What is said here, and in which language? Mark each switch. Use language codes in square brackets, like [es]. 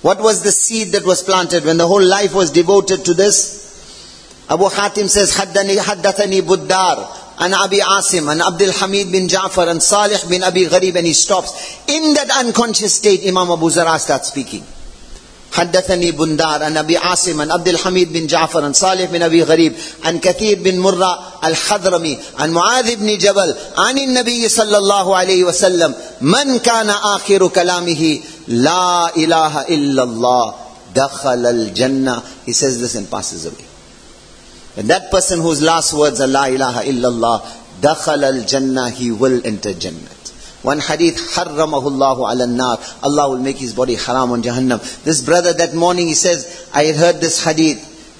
[en] What was the seed that was planted when the whole life was devoted to this? Abu Hatim says, Haddathani Buddar, and Abi Asim and Abdul Hamid bin Ja'far and Salih bin Abi Gharib, and he stops. In that unconscious state, Imam Abu Zara starts speaking. [ar] حدثني بندار عن أبي عاصم عن عبد الحميد بن جعفر عن صالح بن أبي غريب عن كثير بن مرة الحضرمي عن معاذ بن جبل عن النبي صلى الله عليه وسلم من كان آخر كلامه لا إله إلا الله دخل الجنة. [en] He says this and passes away. And that person whose last words are [ar] لا إله إلا الله دخل الجنة, [en] he will enter Jannah. One hadith, [ar] حَرَّمَهُ اللَّهُ عَلَى النَّارِ, [en] Allah will make his body haram on Jahannam. This brother that morning, he says, I heard this hadith.